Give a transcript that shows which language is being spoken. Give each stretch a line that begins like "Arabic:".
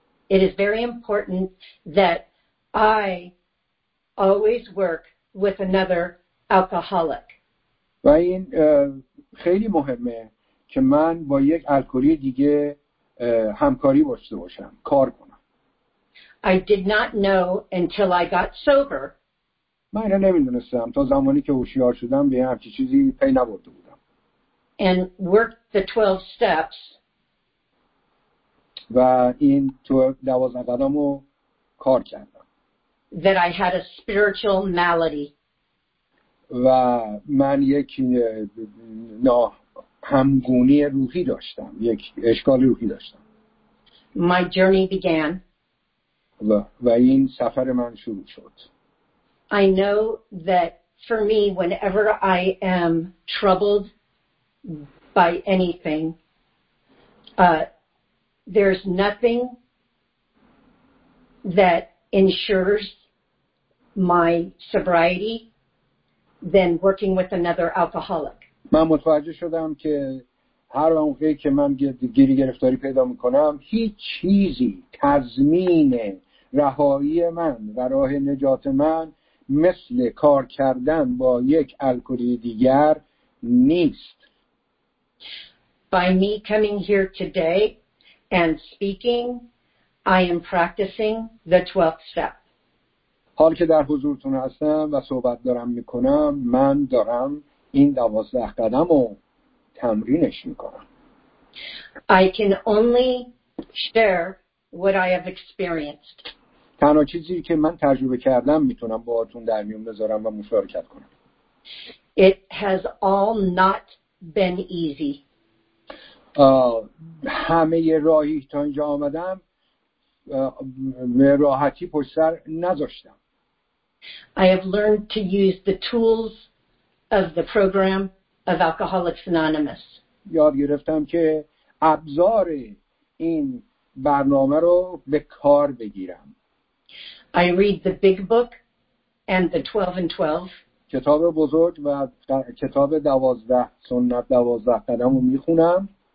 English: It is very important that I always work with another alcoholic.
Persian: و این خیلی مهمه که من با یک الکلی دیگه همکاری داشته باشم، کار کنم.
English: I did not know until I got sober.
Persian: من اینو نمیدونستم تا زمانی که هوشیار شدم به هر چیزی پی نبرده بودم.
English: And worked the 12 steps.
Persian: و این 12 قدمو کار کردم.
English: That I had a spiritual malady.
Persian: و من یک ناهمگونی روحی داشتم، یک اشکال روحی داشتم.
English: My journey began.
Persian: و این سفر من شروع شد.
English: I know that for me, whenever I am troubled by anything, there's nothing that ensures my sobriety than working with another alcoholic.
Persian: من متوجه شدم که هر وقتی که من گیری گرفتاری پیدا میکنم، هیچ چیزی تضمین رهایی من و راه نجات من مثل کار کردن با یک الکلی دیگر نیست.
English: By me coming here today and speaking, I am practicing the 12th step.
Persian: حال که در حضورتون هستم و صحبت دارم میکنم، من دارم این 12 قدم رو تمرینش میکنم.
English: I can only share what I have experienced.
Persian: تنها چیزی که من تجربه کردم میتونم باهاتون در میون بذارم و مشارکت کنم.
English: It has all not been easy.
Persian: همه راهی تا اینجا آمدم به راحتی پشت سر نذاشتم.
English: I have learned to use the tools of the program of Alcoholics Anonymous.
Persian: یاد گرفتم که ابزار این برنامه رو به کار بگیرم.
English: I read the big book and the 12 and 12.
Persian: کتاب بزرگ و کتاب 12 سنت 12 قدم رو میخونم.